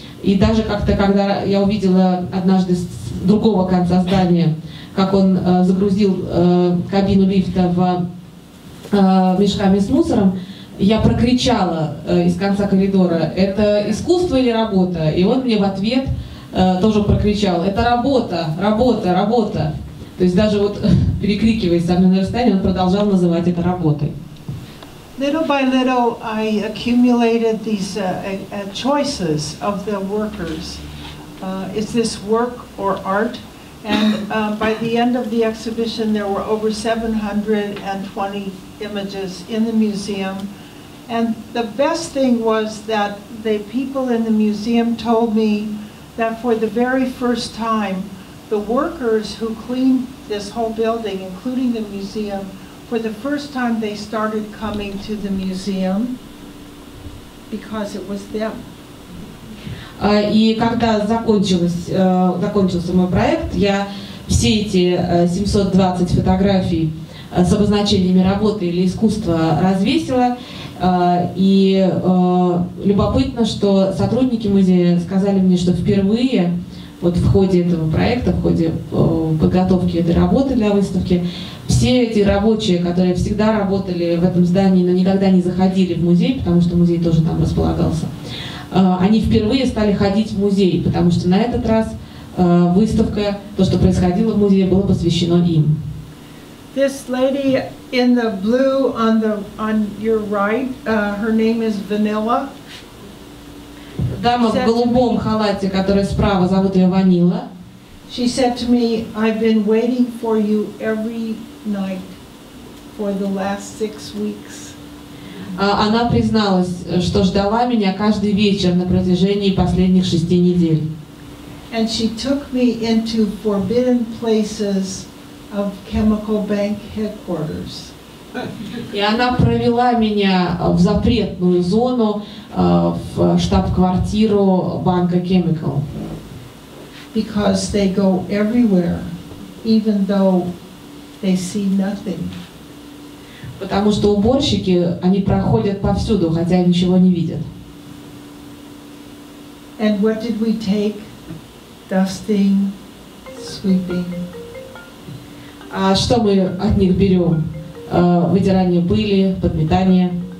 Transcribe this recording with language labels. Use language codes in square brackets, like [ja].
[ru] И даже как-то, когда я увидела однажды с другого конца здания, как он загрузил кабину лифта в мешками с мусором, я прокричала из конца коридора, это искусство или работа? И он мне в ответ тоже прокричал, это работа, работа, работа. То есть даже вот перекрикиваясь со мной на расстоянии, он продолжал называть это работой. [en] Little by little, I accumulated these choices of the workers. Is this work or art? And by the end of the exhibition, there were over 720 images in the museum. And the best thing was that the people in the museum told me that for the very first time, the workers who cleaned this whole building, including the museum, for the first time they started coming to the museum because it was them. [ru] И когда закончился мой проект, я все эти 720 фотографий с обозначениями работы или искусства развесила. И любопытно, что сотрудники музея сказали мне, что впервые вот в ходе этого проекта, в ходе подготовки этой работы для выставки, все эти рабочие, которые всегда работали в этом здании, но никогда не заходили в музей, потому что музей тоже там располагался, они впервые стали ходить в музей, потому что на этот раз выставка, то, что происходило в музее, было посвящено им. [en] This lady in the blue on your right, her name is Vanilla. [ru] Дама в голубом халате, которая справа, зовут ее Ванила. [en] She said to me, I've been waiting for you every night for the last 6 weeks. [ru] Она призналась, что ждала меня каждый вечер на протяжении последних 6 недель. [en] And she took me into forbidden places of Chemical Bank headquarters. [ru] И она провела меня в запретную зону, в штаб-квартиру банка Chemical. [en] Because they go everywhere, even though they see nothing. [ru] Потому что уборщики, они проходят повсюду, хотя ничего не видят. [en] And what did we take? Dusting, sweeping. [ru] А что мы от них берем? Вытирание пыли, подметание.